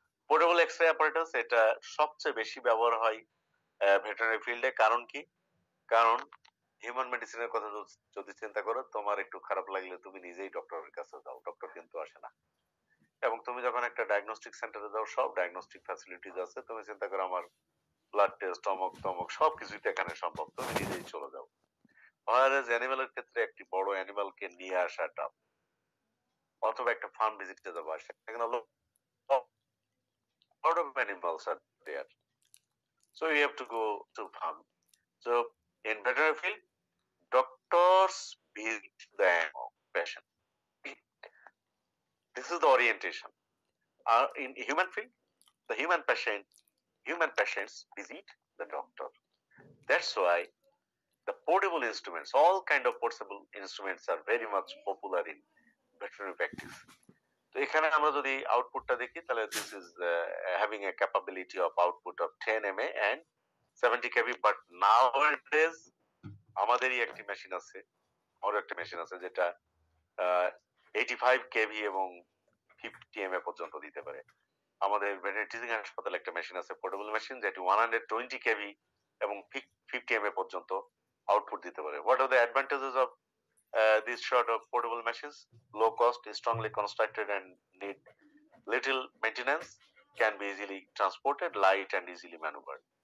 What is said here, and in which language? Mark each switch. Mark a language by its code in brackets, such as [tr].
[bn] Portable X-ray apparatus এটা সবচেয়ে বেশি ব্যবহার হয় ভেটেরিনারি ফিল্ডে, কারণ কি, কারণ হিউম্যান মেডিসিনের কথা যদি চিন্তা করো, তোমার একটু খারাপ লাগলে তুমি নিজেই ডক্টরের কাছে যাও, ডক্টর কিন্তু আসে না, এবং তুমি যখন একটা ডায়াগনস্টিক সেন্টারে যাও সব ডায়াগনস্টিক ফ্যাসিলিটিস আছে, তুমি চিন্তা করো আমার ব্লাড টেস্ট টমক টমক সবকিছুই তো এখানে সম্ভব, তুমি নিজেই চলে যাও। হোয়ারেজ অ্যানিমেলের ক্ষেত্রে একটি বড় অ্যানিমেলকে নিয়ে আসাটা অথবা একটা ফার্ম ভিজিটে যাওয়া, সেখানে [en] লোক of animals are there, so you have to go to farm. So in veterinary field doctors build the patient, this is the orientation. In human field, the human patients visit the doctor. That's why the portable instruments, all kind of portable instruments are very much popular in veterinary practice. [bn] So ekhane amra jodi output ta dekhi tale [en] this is having a capability of output of 10 ma and 70 kb, but nowadays [bn] আমাদেরই একটি machine আছে, আরো একটা machine আছে যেটা 85 KV এবং 50 MA পর্যন্ত দিতে পারে। আমাদের ভেটেরিনারি হাসপাতালে একটা মেশিন আছে পোর্টেবল মেশিন, যেটি 120 কেভি এবং 50 এমএ পর্যন্ত আউটপুট দিতে পারে। [en] What are the advantages of this sort of portable machines, low cost, strongly constructed and need little maintenance, can be easily transported, light and easily manoeuvred.